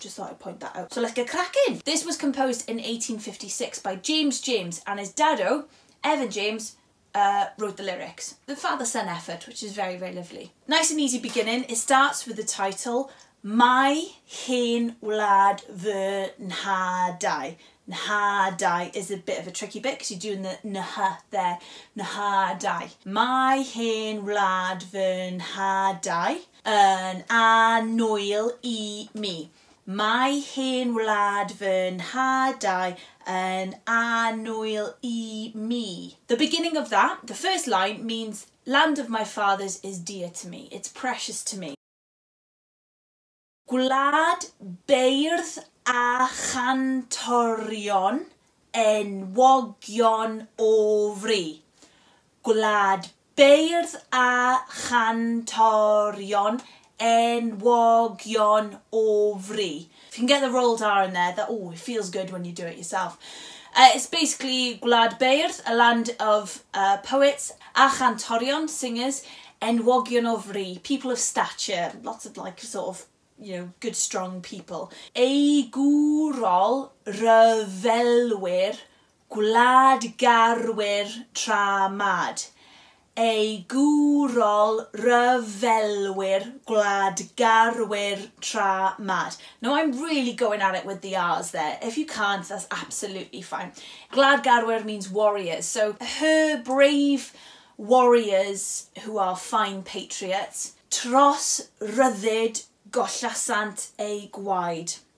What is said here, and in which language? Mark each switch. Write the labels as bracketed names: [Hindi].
[English] Just thought I'd point that out. So let's get cracking! This was composed in 1856 by James, and his daddo, Evan James, wrote the lyrics. The father-son effort, which is very, very lovely. Nice and easy beginning. It starts with the title, My Hen Wlad Fy Nhadau. Nhadau is a bit of a tricky bit because you're doing the nh there. [Welsh] Nhadau. My Hen Wlad Fy Nhadau yn annwyl I mi. My Hen Wlad Fy Nhadau yn annwyl I mi. [English] The beginning of that, the first line, means land of my fathers is dear to me. It's precious to me. [Welsh] Gwlad beirdd a chantorion enwogion o fri. Gwlad beirdd a chantorion enwogion o fri. [English] If you can get the rolled R in there, that, oh, it feels good when you do it yourself. It's basically Gwlad Beirdd, a land of poets, a chantorion, singers, enwogion o fri, people of stature, lots of like sort of, you know, good strong people. [Welsh] Eigwrol rhyfelwyr, gwlad garwyr tra mad. Eigwrol rhyfelwyr gwlad garwyr tra mad. [English] Now I'm really going at it with the R's there. If you can't, that's absolutely fine. Gwlad garwyr means warriors. So her brave warriors who are fine patriots. [Welsh] Tros rhydd gollasant ei gwaed.